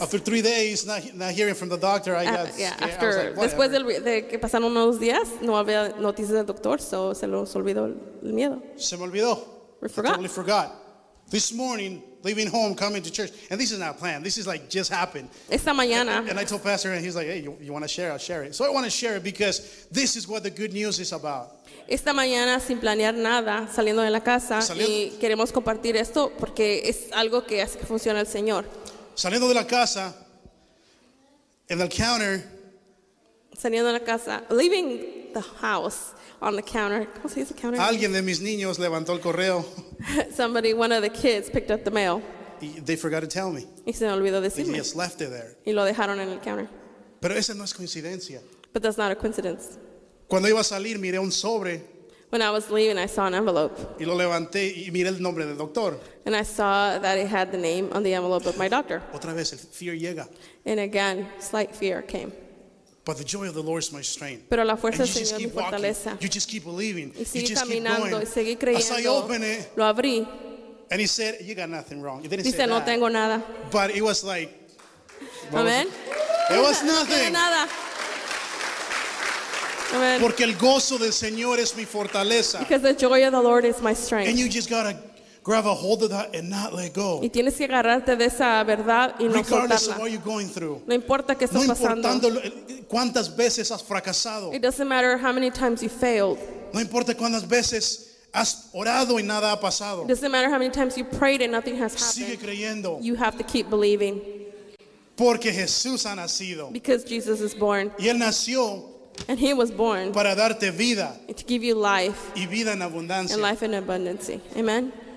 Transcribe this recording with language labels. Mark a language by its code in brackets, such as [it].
[en] After 3 days, not hearing from the doctor, I got scared. After, I was like, [es] después del, de que pasaron unos días, no había noticias del doctor, so se los olvidó el miedo. Se me olvidó. [en] We forgot. I totally forgot. This morning, leaving home, coming to church, and this is not planned. This is like just happened. [es] Esta mañana. [en] And I told Pastor, and he's like, "Hey, you want to share? I'll share it." So I want to share it because this is what the good news is about. [es] Esta mañana, sin planear nada, saliendo de la casa, y queremos compartir esto porque es algo que hace que funcione el Señor. Saliendo de la casa, en el counter. Saliendo de la casa, [en] leaving the house. On the counter. [es] ¿Cómo se dice counter? Alguien de mis niños levantó el correo. [en] Somebody, one of the kids, picked up the mail. They forgot to tell me. [es] Y se olvidó decirme. [en] They just left it there. [es] Y lo dejaron en el counter. Pero esa no es coincidencia. [en] But that's not a coincidence. [es] Cuando iba a salir, miré un sobre. [en] When I was leaving, I saw an envelope. [es] Y lo levanté y miré el nombre del doctor. [en] And I saw that it had the name on the envelope of my doctor. [es] Otra vez, el fear llega. [en] And again, slight fear came. But the joy of the Lord is my strength. [es] Pero la fuerza del Señor es mi fortaleza. [en] You just keep believing. [es] Y [en] you just [es] caminando, [en] keep going. as I open it, [es] lo abrí. [en] And he said, "You got nothing wrong." He didn't [es] dice, [en] say that. [es] No tengo nada. [en] But it was like, amen. It was nothing. [es] No tengo nada. Amen. Porque el gozo del Señor es mi fortaleza. [en] Because the joy of the Lord is my strength. And you just gotta grab a hold of that and not let go. [es] Y tienes que agarrarte de esa verdad y no soltarla. [en] Regardless of what you're going through. [es] No importa qué estás pasando. No importa cuántas veces has fracasado. [en] It doesn't matter how many times you failed. [es] No importa cuántas veces has orado y nada ha pasado. [en] It doesn't matter how many times you prayed and nothing has happened. [es] Sigue creyendo. [en] You have to keep believing. [es] Porque Jesús ha nacido. [en] Because Jesus is born. [es] Y él nació. [en] And he was born. [es] Para darte vida. [en] To give you life. [es] Y vida en abundancia. [en] And life in abundance. Amen.